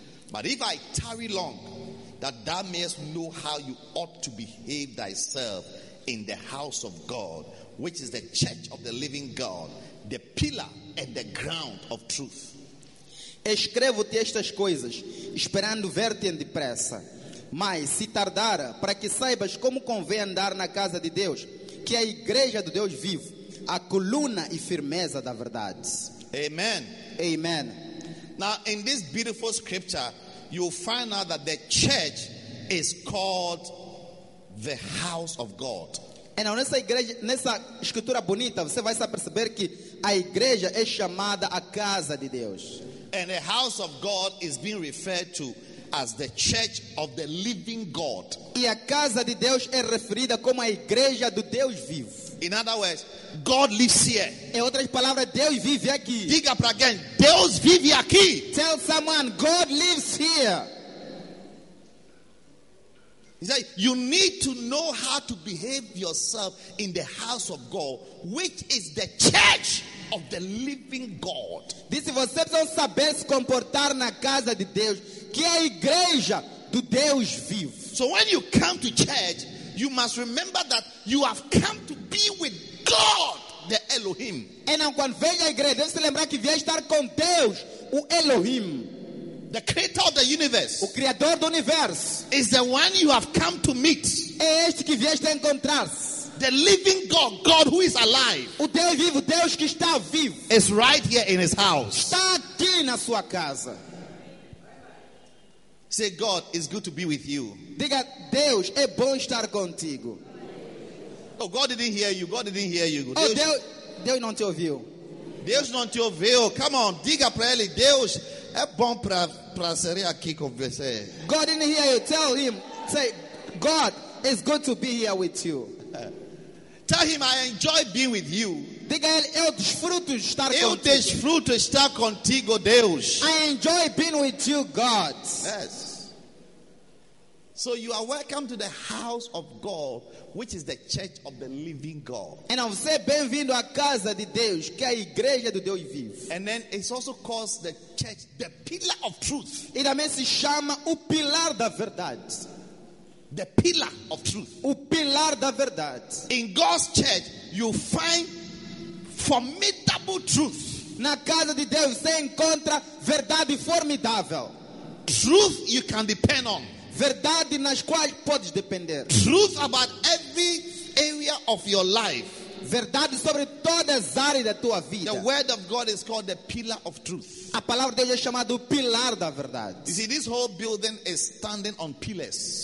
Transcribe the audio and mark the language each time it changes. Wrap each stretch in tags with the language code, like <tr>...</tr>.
<en>But if I tarry long, that thou mayest know how you ought to behave thyself in the house of God, which is the church of the living God, the pillar and the ground of truth.</en> <pt>Escrevo-te estas coisas, esperando ver-te em depressa. Mas, se tardar, para que saibas como convém andar na casa de Deus, que é a igreja do Deus vivo, a coluna e firmeza da verdade.</pt> <en>Amen.</en> <pt>Amen.</pt> <en>Now, in this beautiful scripture, you'll find out that the church is called the house of God.</en> <pt>Então, nessa igreja, nessa escritura bonita, você vai perceber que a igreja é chamada a casa de Deus.</pt> <en>And the house of God is being referred to as the church of the living God.</en> <pt>E a casa de Deus é referida como a igreja do Deus vivo.</pt> <en>In other words, God lives here.</en> <pt>Em outras palavras, Deus vive aqui. Diga para alguém, Deus vive aqui.</pt> <en>Tell someone, God lives here. He said, you need to know how to behave yourself in the house of God, which is the church of the living God.</en> <pt>Disse, vocês precisam saber se comportar na casa de Deus, que é a igreja do Deus vivo.</pt> <en>So when you come to church, you must remember that you have come to be with God, the Elohim.</en> <pt>Então, quando vem à igreja, deve se lembrar que vier estar com Deus, o Elohim.</pt> <en>The creator of the universe.</en> <pt>O criador do universo.</pt> <en>Is the one you have come to meet.</en> <pt>É este que vieste encontrar-se.</pt> <en>The living God, God who is alive.</en> <pt>O Deus vivo, Deus que está vivo.</pt> <en>Is right here in his house.</en> <pt>Está aqui na sua casa.</pt> <en>Say, God, it's good to be with you.</en> <pt>Diga, Deus, é bom estar contigo.</pt> <en>Oh, God didn't hear you. God didn't hear you.</en> <pt>Oh, Deus, Deus não te ouviu. Deus não te ouviu.</pt> <en>Come on,</en> <pt>diga para ele, Deus, é bom para ser aqui com você.</pt> <en>God didn't hear you. Tell him, say, God, it's good to be here with you. Tell him, I enjoy being with you.</en> <pt>Diga ele, eu desfruto estar contigo. Eu desfruto estar contigo, Deus.</pt> <en>I enjoy being with you, God. Yes. So you are welcome to the house of God, which is the church of the living God.</en> <pt>Então você é bem-vindo à casa de Deus, que é a igreja do Deus vivo.</pt> <en>And then it's also called the church, the pillar of truth.</en> <pt>E também se chama o pilar da verdade.</pt> <en>The pillar of truth.</en> <pt>O pilar da verdade.</pt> <en>In God's church, you find formidable truth.</en> <pt>Na casa de Deus você encontra verdade formidável.</pt> <en>Truth you can depend on.</en> <pt>Verdade nas quais podes depender.</pt> <en>Truth about every area of your life.</en> <pt>Verdade sobre todas as áreas da tua vida.</pt> <en>The word of God is called the pillar of truth.</en> <pt>A palavra de Deus é chamada o pilar da verdade.</pt> <en>You see, this whole building is standing on pillars.</en>